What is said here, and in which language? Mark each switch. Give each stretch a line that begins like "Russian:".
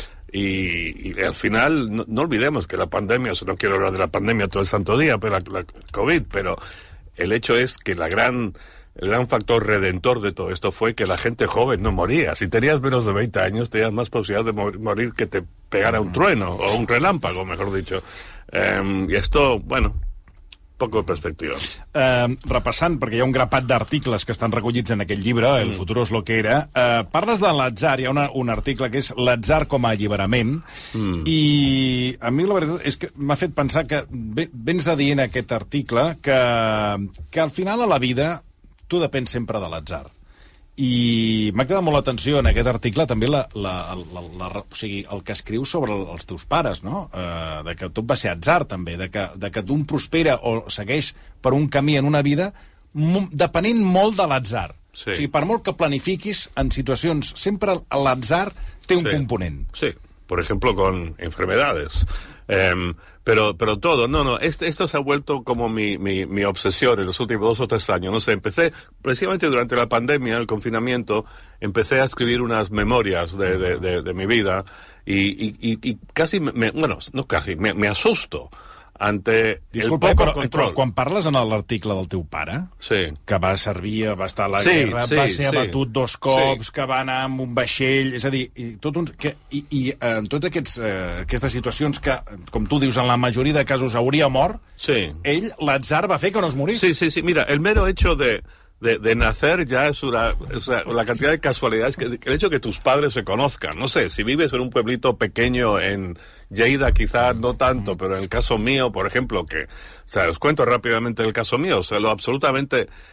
Spanish: Y al final, no olvidemos que la pandemia, o sea, no quiero hablar de la pandemia todo el santo día, pero la COVID, pero el hecho es que el gran factor redentor de todo esto fue que la gente joven no moría. Si tenías menos de 20 años, tenías más posibilidad de morir que te pegara un trueno, o un relámpago, mejor dicho. Y esto, bueno, poco de perspectiva.
Catalan: Repassant, perquè hi ha un grapat d'articles que estan recollits en aquest llibre, El futuro es lo que era, parles de l'atzar, hi ha un article que és L'atzar com a alliberament, i a mi la veritat és que m'ha fet pensar que vens a dir en aquest article que al final a la vida... Tu depens sempre de l'atzar. I m'ha quedat molt l'atenció en aquest article també o sigui, el que escrius sobre els teus pares, no? De que tot va ser atzar, també. De que tu prospera o segueix per un camí en una vida depenent molt de l'atzar. Sí. O sigui, per molt que planifiquis en situacions, sempre l'atzar té un component.
Spanish: Sí, por ejemplo, con enfermedades. Pero todo, no, esto se ha vuelto como mi obsesión en los últimos 2 o 3 años, no sé, empecé precisamente durante la pandemia, el confinamiento, empecé a escribir unas memorias de mi vida y casi, me asusto ante el poco
Catalan: però,
Spanish: control.
Catalan: Però quan parles en l'article del teu pare, sí. que va servir, va estar a la guerra, sí, va ser sí. abatut dos cops, sí. que va anar amb un vaixell... És a dir, i en totes aquestes situacions que, com tu dius, en la majoria de casos hauria mort, sí. ell, l'atzar, va fer que no es morís. Sí, sí, sí.
Spanish: Mira, el mero hecho de nacer ya es una... O sea, la cantidad de casualidades... Que el hecho de que tus padres se conozcan, no sé, si vives en un pueblito pequeño en... Lleida quizá no tanto, pero en el caso mío, por ejemplo, que... O sea, os cuento rápidamente el caso mío. O sea, lo absolutamente...